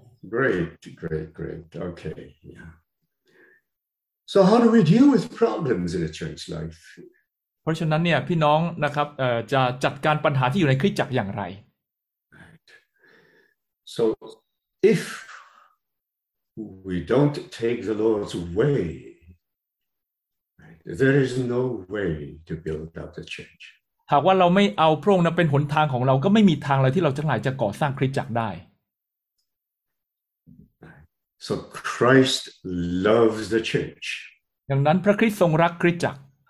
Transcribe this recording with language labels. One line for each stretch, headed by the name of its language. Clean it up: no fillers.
English: great okay yeah so how do we deal with problems in a church life
Thai: เพราะฉะนั้นเนี่ยพี่น้องนะครับจะจัดการปัญหาที่อยู่ในคริสตจักรอย่างไร
English: So if we don't take the Lord's way there is no way to build up the church
Thai: หากว่าเราไม่เอาพระองค์นะเป็นหนทางของเราก็ไม่มีทางเลยที่เราทั้งหลายจะก่อสร้างคริสตจักรได้
English: So Christ loves the church
Thai: ดังนั้นพระคริสต์ทรงรักคริสตจักร